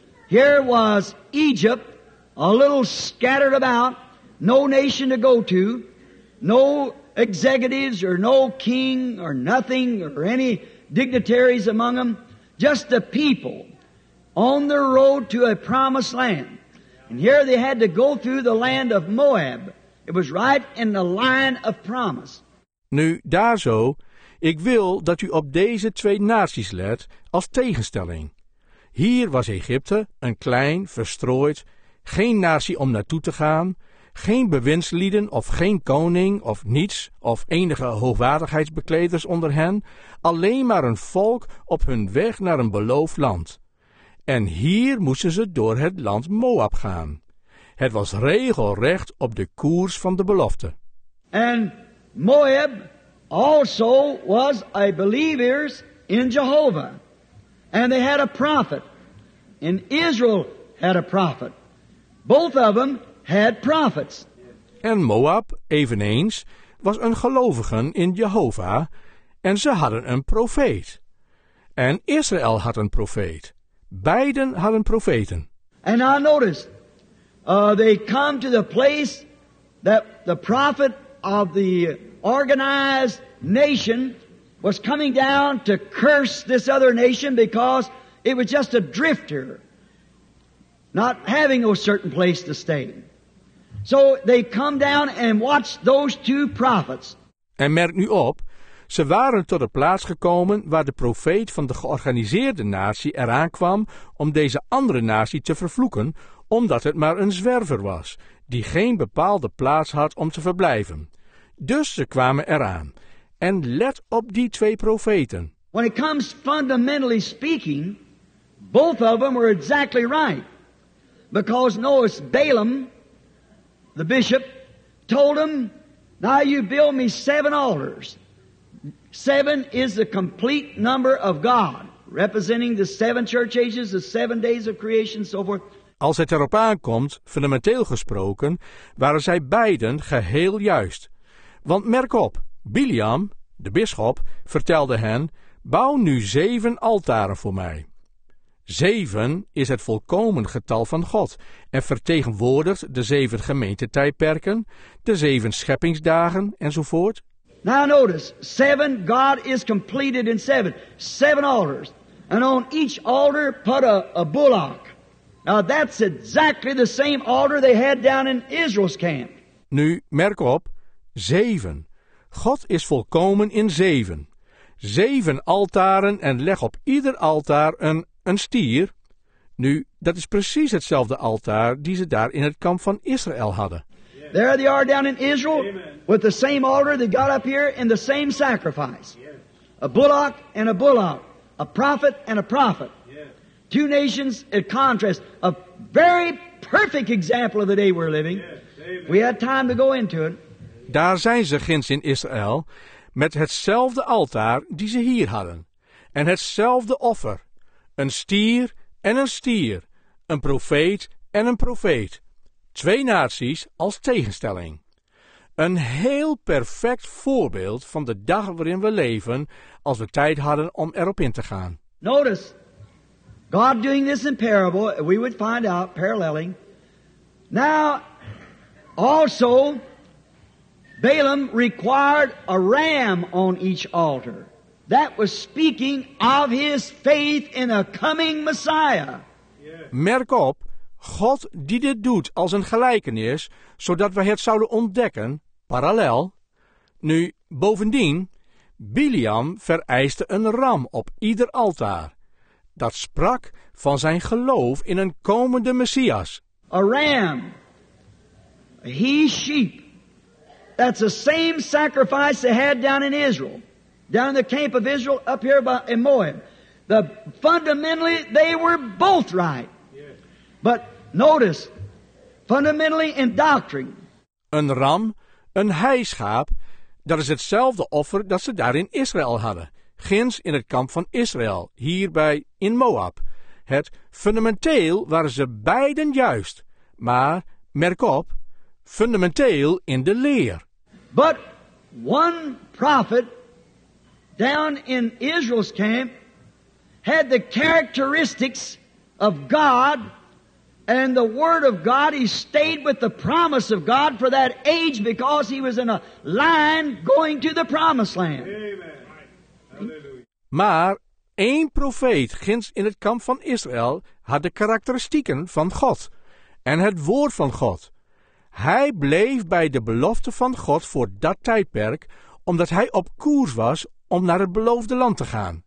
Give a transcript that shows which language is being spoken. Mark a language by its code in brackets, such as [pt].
[en] Here was Egypt, a little scattered about, no nation to go to, no executives or no king or nothing or any dignitaries among them, just the people on their road to a promised land. And here they had to go through the land of Moab. It was right in the line of promise. [nl] Nu, daar zo, ik wil dat u op deze twee naties let als tegenstelling. Hier was Egypte, een klein, verstrooid, geen natie om naartoe te gaan, geen bewindslieden of geen koning of niets of enige hoogwaardigheidsbekleders onder hen, alleen maar een volk op hun weg naar een beloofd land. En hier moesten ze door het land Moab gaan. Het was regelrecht op de koers van de belofte. [en] En Moab also was a believer in Jehovah. And they had a prophet. And Israel had a prophet. Both of them had prophets. [nl] En Moab, eveneens, was een gelovigen in Jehovah en ze hadden een profeet. En Israël had een profeet. Beiden hadden profeten. [en] And I noticed, they come to the place that the prophet of the organized nation was coming down to curse this other nation because it was just a drifter, not having no certain place to stay. So they come down and watch those two prophets. [nl] En merk nu op, ze waren tot de plaats gekomen waar de profeet van de georganiseerde natie eraan kwam om deze andere natie te vervloeken, omdat het maar een zwerver was, die geen bepaalde plaats had om te verblijven. Dus ze kwamen eraan. En let op die twee profeten. [en] When it comes fundamentally speaking, both of them were exactly right. Because notice Balaam, the bishop, told him, now you build me 7 altars. 7 is the complete number of God, representing the 7 church ages, the 7 days of creation, so forth. [nl] Als het erop aankomt, fundamenteel gesproken, waren zij beiden geheel juist. Want merk op, Bileam, de bisschop, vertelde hen, bouw nu 7 altaren voor mij. 7 is het volkomen getal van God en vertegenwoordigt de 7 gemeentetijdperken, de 7 scheppingsdagen enzovoort. [en] Now notice, 7, God is completed in 7. 7 altars. And on each altar put a bullock. Now that's exactly the same altar they had down in Israel's camp. [nl] Nu, merk op, 7. God is volkomen in 7. 7 altaren en leg op ieder altaar een stier. Nu, dat is precies hetzelfde altaar die ze daar in het kamp van Israël hadden. [en] There they are down in Israel with the same altar they got up here and the same sacrifice. A bullock and a bullock, a prophet and a prophet. Two nations in contrast, a very perfect example of the day we're living. We had time to go into it. [nl] Daar zijn ze ginds in Israël met hetzelfde altaar die ze hier hadden. En hetzelfde offer. Een stier en een stier. Een profeet en een profeet. Twee naties als tegenstelling. Een heel perfect voorbeeld van de dag waarin we leven als we tijd hadden om erop in te gaan. [en] Notice, God doing this in parable, we would find out, paralleling. Now, also, Balaam required a ram on each altar. That was speaking of his faith in a coming Messiah. [nl] Merk op, God die dit doet als een gelijkenis, zodat we het zouden ontdekken, parallel. Nu, bovendien, Bileam vereiste een ram op ieder altaar. Dat sprak van zijn geloof in een komende Messias. [en] A ram. A he sheep. That's the same sacrifice they had down in Israel. Down in the camp of Israel, up here by Moab. Fundamentally, they were both right. But notice, fundamentally in doctrine. [nl] Een ram, een heischaap, dat is hetzelfde offer dat ze daar in Israël hadden. Ginds in het kamp van Israël, hierbij in Moab. Het fundamenteel waren ze beiden juist. Maar, merk op, fundamenteel in de leer. [en] But one prophet down in Israel's camp had the characteristics of God and the word of God. He stayed with the promise of God for that age because he was in a line going to the promised land. [nl] Maar één profeet ginds in het kamp van Israël had de karakteristieken van God en het woord van God. Hij bleef bij de belofte van God voor dat tijdperk, omdat hij op koers was om naar het beloofde land te gaan.